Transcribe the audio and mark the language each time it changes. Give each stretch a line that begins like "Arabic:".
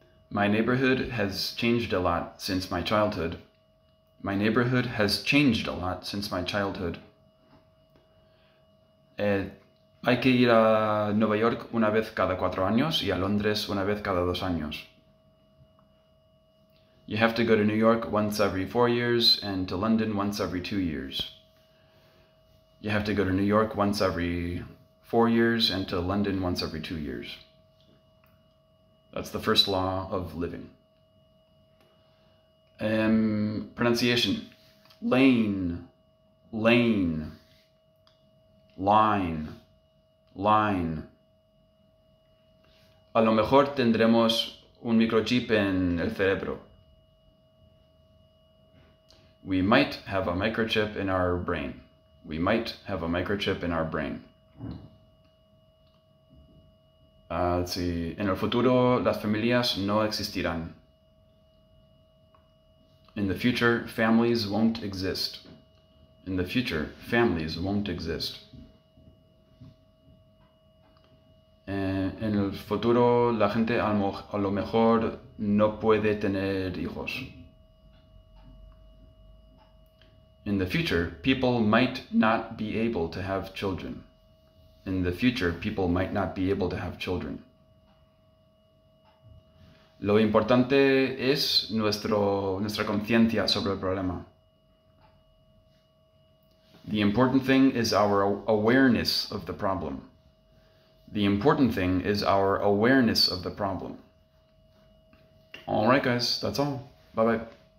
English: My neighborhood has changed a lot since my childhood. My neighborhood has changed a lot since my childhood.
Spanish: Hay que ir a Nueva York una vez cada 4 años y a Londres una vez cada 2 años.
English: You have to go to New York once every 4 years and to London once every 2 years. You have to go to New York once every 4 years and to London once every 2 years. That's the first law of living. Pronunciation. Lane. Lane. Line. Line.
Spanish: A lo mejor tendremos un microchip en el cerebro.
English: We might have a microchip in our brain. We might have a microchip in our brain. Let's see.
Spanish: En el futuro, las familias no existirán.
English: In the future, families won't exist. In the future, families won't exist.
Spanish: En el futuro, la gente a lo mejor no puede tener hijos.
English: In the future, people might not be able to have children. In the future, people might not be able to have children.
Spanish: Lo importante es nuestra conciencia sobre el problema.
English: The important thing is our awareness of the problem. The important thing is our awareness of the problem. All right, guys, that's all. Bye bye.